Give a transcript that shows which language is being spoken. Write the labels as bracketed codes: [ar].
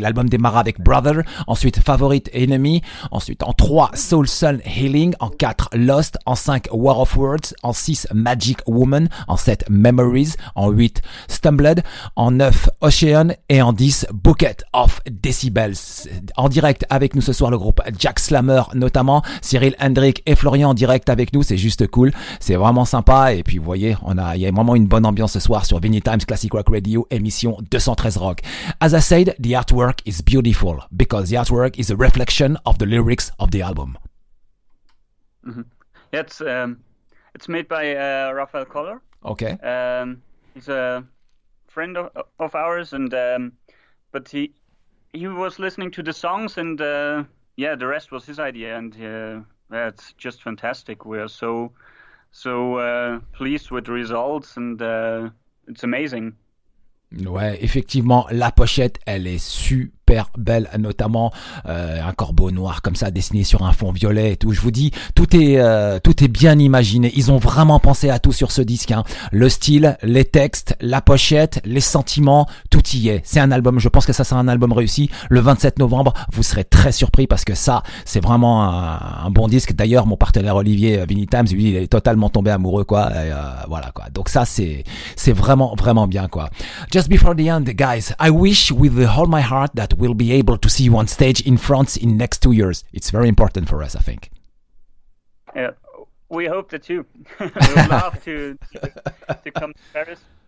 [fr] L'album démarra avec Brother, ensuite Favorite Enemy, ensuite en 3 Soul Sun Healing, en 4 Lost, en 5 War of Words, en 6 Magic Woman, en 7 Memories, en 8 Stumbled, en 9 Ocean et en 10 Bucket of Decibels en direct avec nous ce soir, le groupe Jack Slammer notamment, Cyril Hendrick et Florian en direct avec nous, c'est juste cool, c'est vraiment sympa. Et puis vous voyez, il y a vraiment une bonne ambiance ce soir sur Vinnie Times Classic Rock Radio, émission 213 Rock. [en] As I said, the artwork is beautiful because the artwork is a reflection of the lyrics of the album. Mm-hmm. Yeah, it's made by Raphael Koller. Okay. He's a friend of ours, and but he was listening to the songs, and yeah, the rest was his idea, and it's just fantastic. We are so pleased with the results, and it's amazing. [fr] Ouais, effectivement, la pochette, elle est super belle, notamment un corbeau noir comme ça dessiné sur un fond violet et tout. Je vous dis, tout est bien imaginé. Ils ont vraiment pensé à tout sur ce disque, hein. Le style, les textes, la pochette, les sentiments, tout y est. C'est un album, je pense que ça sera un album réussi. Le 27 novembre, vous serez très surpris parce que ça, c'est vraiment un bon disque. D'ailleurs, mon partenaire Olivier Vinnie Times, lui, il est totalement tombé amoureux, quoi. Voilà, quoi. Donc ça, c'est vraiment, vraiment bien, quoi. [en] Just before the end, guys, I wish with all my heart that we'll be able to see you on stage in France in next 2 years. It's very important for us, I think. Yeah, we hope that too. We'd love to come to Paris.